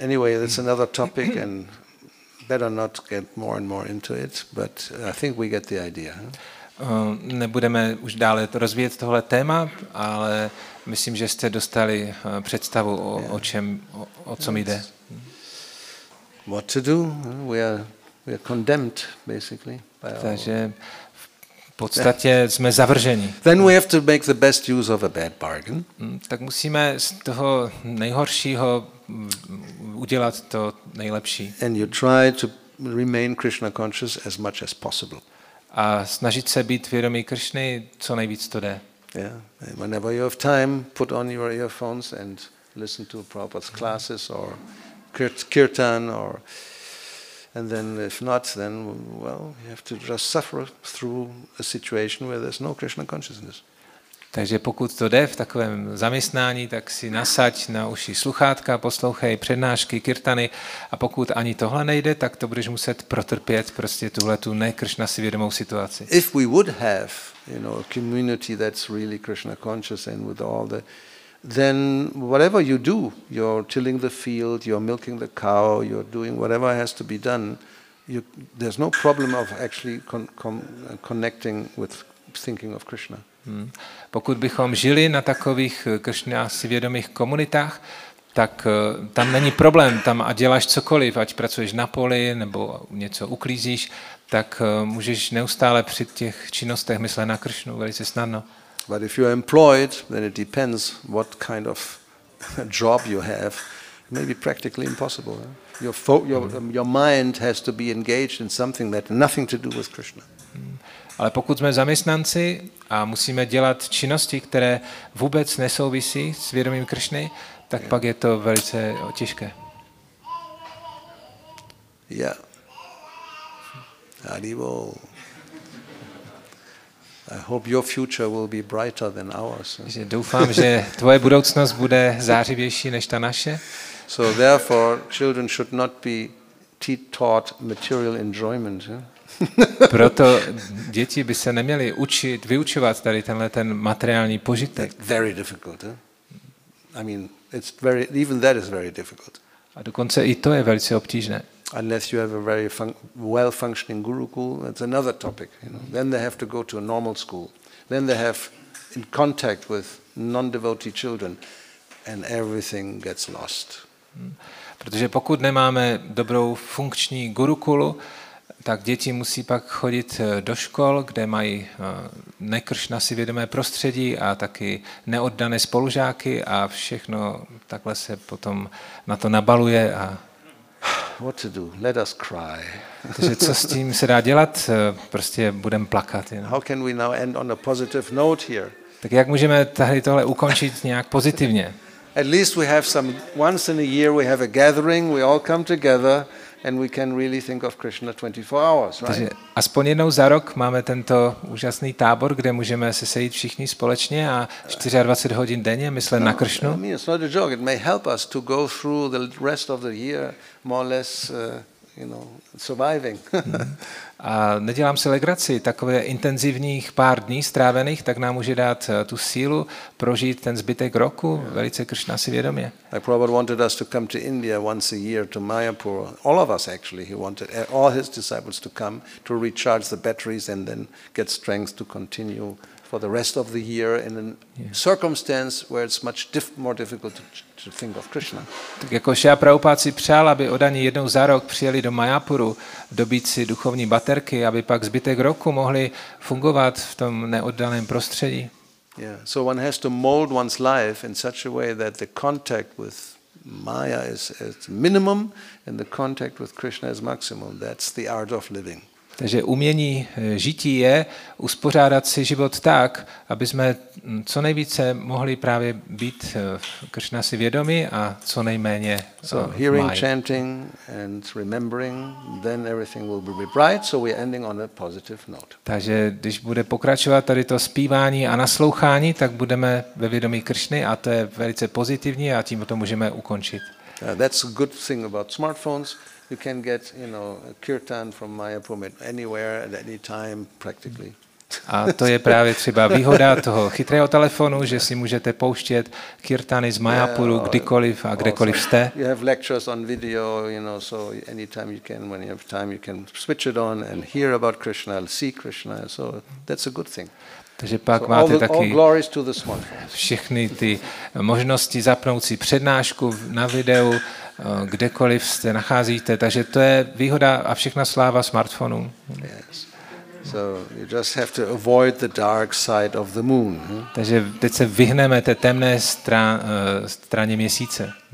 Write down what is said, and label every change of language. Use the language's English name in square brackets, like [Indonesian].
[English] Anyway, that's another topic and better not get more and more into it, but I think we get the idea. [Czech] Nebudeme už dále rozvíjet tohle téma, ale myslím, že jste dostali představu o čem jde. [English] What to do? We are condemned basically. [Czech] V podstatě jsme zavrženi. [English] Then we have to make the best use of a bad bargain. [Czech] Tak musíme z toho nejhoršího udělat to nejlepší. [English] And you try to remain Krishna conscious as much as possible. [Czech] A snažit se být vědomí Krishny, co nejvíc to jde. [English] Yeah. Whenever you have time, put on your earphones and listen to Prabhupada's classes or kirtan or and then if not then well you have to just suffer through a situation where there's no Krishna consciousness. [Czech] Takže pokud to jde v takovém zaměstnání, tak si nasaď na uši sluchátka, poslouchej přednášky, kirtany a pokud ani tohle nejde, tak to budeš muset protrpět prostě tuhle tu ne Krishna si vědomou situaci. [English] If we would have, you know, a community that's really Krishna conscious and with all the, then whatever you do, you're tilling the field, you're milking the cow, you're doing whatever has to be done, there's no problem of actually connecting with thinking of Krishna. [Czech] Pokud bychom žili na takových Krishna si vědomých komunitách, tak tam není problém, tam a děláš cokoliv, ať pracuješ na poli nebo něco uklízíš, tak můžeš neustále při těch činnostech myslet na Kršnu velice snadno. [English] But if you are employed, then it depends what kind of job you have. It may be practically impossible. Your mind has to be engaged in something that nothing to do with Krishna. [Czech] Ale pokud jsme zaměstnanci a musíme dělat činnosti, které vůbec nesouvisí s vědomím Kršny, tak pak je to velice těžké. [English] Yeah. Haribol. I hope your future will be brighter than ours. [Czech] Doufám, že tvoje budoucnost bude zářivější než ta naše. [English] So therefore children should not be taught material enjoyment. [Czech] Proto děti by se neměly učit, vyučovat tady tenhle ten materiální požitek. [English] Very difficult. I mean, it's very, even that is very difficult. [Czech] A dokonce i to je velice obtížné. [English] Unless you have a very well-functioning gurukul, that's another topic. You know, then they have to go to a normal school. Then they have in contact with non-devotee children, and everything gets lost. [Czech] Protože pokud nemáme dobrou funkční gurukulu, tak děti musí pak chodit do škol, kde mají nekršna si vědomé prostředí a taky neoddané spolužáky a všechno takhle se potom na to nabaluje. A [English] what to do? Let us cry. [Czech] Takže co s tím se dá dělat? Prostě budem plakat. Jenom. [English] How can we now end on a positive note here? [Czech] Tak jak můžeme tady tohle ukončit nějak pozitivně? [English] At least we have some, once in a year we have a gathering, we all come together and we can really think of Krishna 24 hours, right? [Czech] Takže aspoň jednou za rok máme tento úžasný tábor, kde můžeme se sejít všichni společně a 24 hodin denně myslet na Kršnu. [English] I mean, it's not a joke. It may help us to go through the rest of the year more or less, you know, surviving. [Czech] A nedělám si legraci, takové intenzivních pár dní strávených, tak nám může dát tu sílu prožít ten zbytek roku velice Kršna si vědomě. [English] Like Prabhupada wanted us to come to India once a year to Mayapur. All of us actually, he wanted all his disciples to come to recharge the batteries and then get strength to continue for the rest of the year in a circumstance where it's much more difficult to think of Krishna. [Czech] Tak jako Šrila Prabhupáda si přál, aby oddaní jednou za rok přijeli do Mayapuru, dobít si duchovní baterky, aby pak zbytek roku mohli fungovat v tom neoddaném prostředí. [English] Yeah, so one has to mold one's life in such a way that the contact with Maya is minimum and the contact with Krishna is maximum. That's the art of living. [Czech] Takže umění žití je uspořádat si život tak, aby jsme co nejvíce mohli právě být Kršna si vědomi a co nejméně [English] so hearing, chanting and remembering, then everything will be bright, so we're ending on a positive note. [Czech] Takže když bude pokračovat tady to zpívání a naslouchání, tak budeme ve vědomí Kršny a to je velice pozitivní a tím to můžeme ukončit. [English] That's a good thing about smartphones. You can get, you know, a kirtan from Mayapur anywhere at any time practically. [Czech] A to je právě třeba výhoda toho chytrého telefonu, že si můžete pouštět kirtany z Mayapuru kdykoliv a kdekoliv jste. [English] You have lectures on video, you know, so anytime you can, when you have time, you can switch it on and hear about Krishna, see Krishna, so that's a good thing. [Czech] Takže pak [English] so [Czech] máte taky [English] all [Czech] všechny ty možnosti zapnout si přednášku na videu, kdekoliv se nacházíte, takže to je výhoda a všechna sláva smartfonu. [English] Yes. So you just have to avoid the dark side of the moon. [Czech] Takže teď se vyhneme té temné straně měsíce.